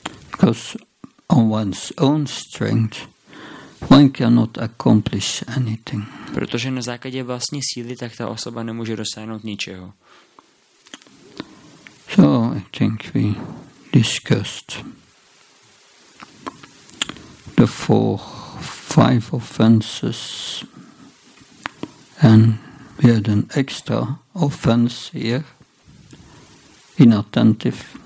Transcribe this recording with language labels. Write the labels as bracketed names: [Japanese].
[English] Because on one's own strength, one cannot accomplish anything. [Czech] Protože na základě vlastní síly, tak ta osoba nemůže dosáhnout ničeho. [English] So I think we discussed the five offenses and we had an extra offense here, inattentive.